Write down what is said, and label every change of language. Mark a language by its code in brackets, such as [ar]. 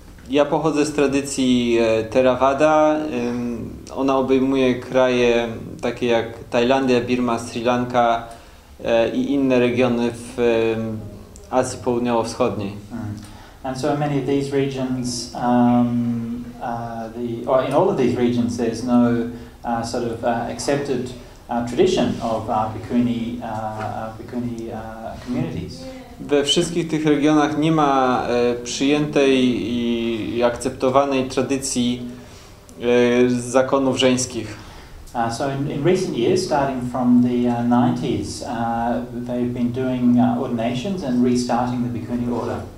[pl] Ja pochodzę z tradycji Theravada. Ona obejmuje kraje takie jak Tajlandia, Birma, Sri Lanka i inne regiony w Azji Południowo-Wschodniej. Mm. [en] And so in many of these regions, in all of these regions, there's no sort of accepted tradition of bhikkhuni communities. [pl] We wszystkich tych regionach nie ma przyjętej i akceptowanej tradycji zakonów żeńskich. [en] So in recent years, starting from the 90s, they've been doing ordinations and restarting the bhikkhuni order.